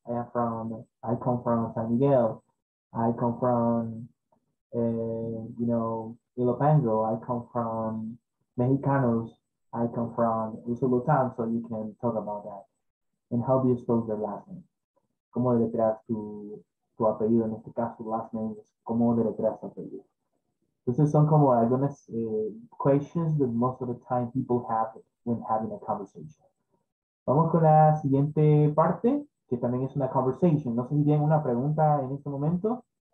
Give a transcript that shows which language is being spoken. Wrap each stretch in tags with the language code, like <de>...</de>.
<en>I come from San Miguel. I come from, you know, Ilopango. I come from Mexicanos. I come from Usulután, so you can talk about that. And how do you spell your last name?</en> <es>¿Cómo deletreas tu apellido? En este caso,</es> <en>last name is</en> <es>¿cómo deletreas apellido?</es> <en>This is some</en> <es>como algunas</es> <en>questions that most of the time people have when having a conversation.</en> <es>Vamos con la siguiente parte, que también es una conversation. No sé si tienen una pregunta en este momento.</es>